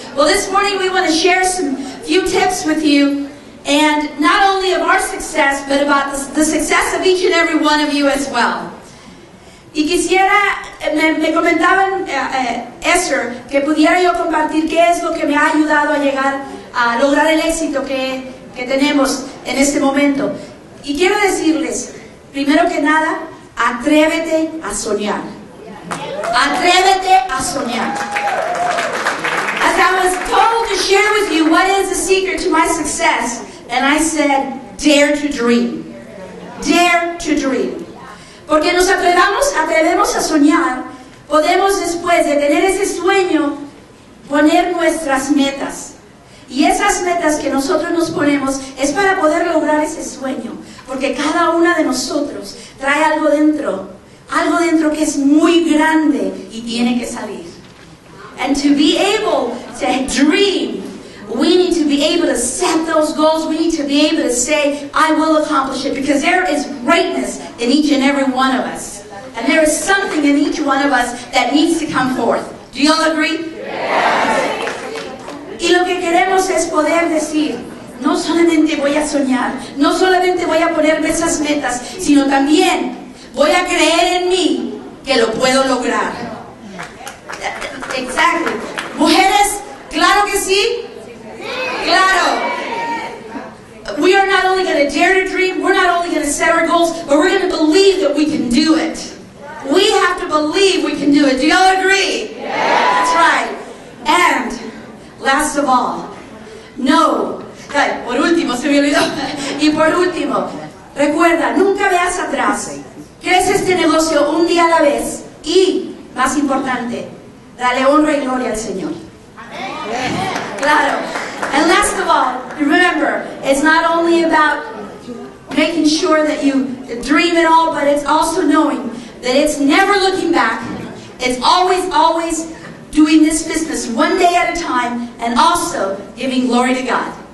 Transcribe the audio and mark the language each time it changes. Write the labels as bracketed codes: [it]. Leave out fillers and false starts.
[en] Well, this morning we want to share some few tips with you, and not only of our success, but about the success of each and every one of you as well. [es] Y quisiera, me comentaban Esther, que pudiera yo compartir qué es lo que me ha ayudado a llegar a lograr el éxito que tenemos en este momento. Y quiero decirles, primero que nada, atrévete a soñar. Atrévete a soñar. [en] As I was told to share with you what is the secret to my success, and I said, dare to dream. Dare to dream. [es] Porque nos atrevemos a soñar, podemos después de tener ese sueño, poner nuestras metas. Y esas metas que nosotros nos ponemos es para poder lograr ese sueño. Porque cada una de nosotros trae algo dentro que es muy grande y tiene que salir. [en] And to be able to dream, we need to be able to set those goals. We need to be able to say, I will accomplish it. Because there is greatness in each and every one of us. And there is something in each one of us that needs to come forth. Do you all agree? Yes. [es] Y lo que queremos es poder decir, no solamente voy a soñar, no solamente voy a ponerme esas metas, sino también voy a creer en mí que lo puedo lograr. Exactly. Mujeres, claro que sí. Claro. [en] We are not only going to dare to dream, we're not only going to set our goals, but we're going to believe that we can do it. We have to believe we can do it. Do y'all agree? Yeah. That's right. And last of all, know. Por último, se me olvidó. [es] Y por último, recuerda, nunca veas atrás. Crece este negocio un día a la vez. Y, más importante, dale honra y gloria al Señor. Amén. Claro. [en] And last of all, remember, it's not only about making sure that you dream it all, but it's also knowing that it's never looking back. It's always, always doing this business one day at a time and also giving glory to God.